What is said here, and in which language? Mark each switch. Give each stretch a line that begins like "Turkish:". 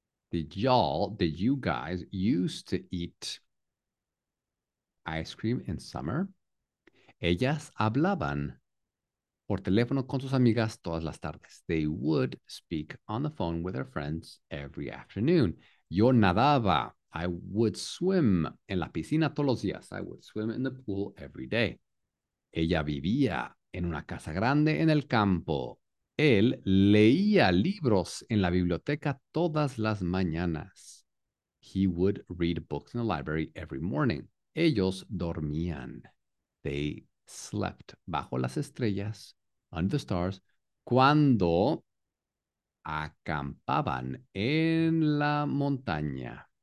English: Did you guys used to eat ice cream in summer?
Spanish: Ellas hablaban por teléfono con sus amigas todas las tardes.
English: They would speak on the phone with their friends every afternoon.
Spanish: Yo nadaba.
English: I would swim
Spanish: en la piscina todos los días.
English: I would swim in the pool every day.
Spanish: Ella vivía en una casa grande en el campo. Él leía libros en la biblioteca todas las mañanas.
English: He would read books in the library every morning.
Spanish: Ellos dormían.
English: They slept
Spanish: bajo las estrellas,
English: under the stars,
Spanish: cuando acampaban en la montaña.